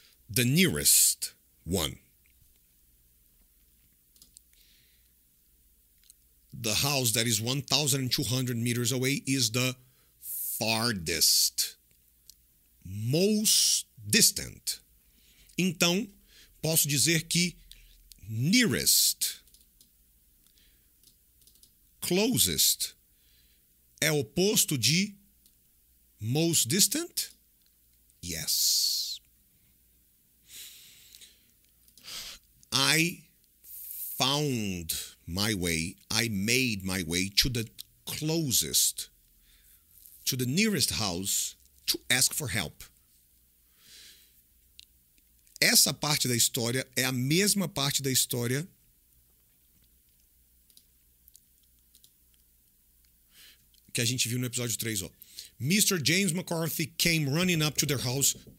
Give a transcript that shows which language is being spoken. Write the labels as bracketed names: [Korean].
[English] The nearest one. The house that is 1,200 meters away is the farthest, most distant. [Portuguese] Então, posso dizer que nearest, closest, é oposto de most distant? [English] Yes. I found my way, I made my way to the closest, to the nearest house to ask for help. [Portuguese] Essa parte da história é a mesma parte da história que a gente viu no episódio 3, ó. [English] Mr. James McCarthy came running up to their house.